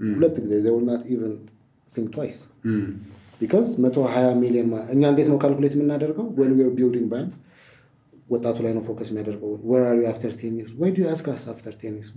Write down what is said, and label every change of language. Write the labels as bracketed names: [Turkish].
[Amharic] ሁለት ጊዜ [English] they will not even think twice. [Amharic] Because 120 ሚሊዮን እኛ እንዴት ነው ካልኩሌት የምናደርገው? [English] When we are building banks, [Amharic] ወጣቱ ላይ ነው ፎከስ የሚያደርገው። [English] Where are you after 10 years? Why do you ask us after 10 years?